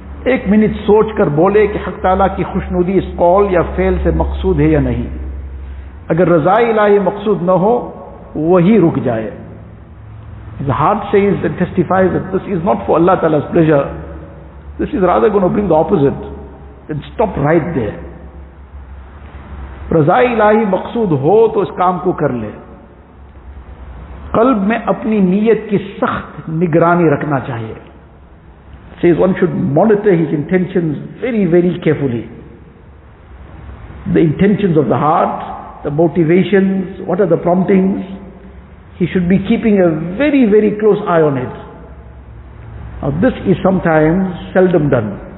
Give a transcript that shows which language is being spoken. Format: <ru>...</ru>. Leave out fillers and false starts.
<ur>ایک منٹ سوچ کر بولے کہ حق تعالیٰ کی خوشنودی اس قول یا فعل سے مقصود ہے یا نہیں. اگر رضا الہی مقصود نہ ہو وہی رک جائے.</ur> <en>His heart says and testifies that this is not for Allah Ta'ala's pleasure, this is rather going to bring the opposite, then stop right there.</en> <ur>رضا الہی مقصود ہو تو اس کام کو کر لے. قلب میں اپنی نیت کی سخت نگرانی رکھنا چاہیے.</ur> <en>Says one should monitor his intentions very, very carefully. The intentions of the heart, the motivations, what are the promptings? He should be keeping a very, very close eye on it. Now this is sometimes seldom done.</en>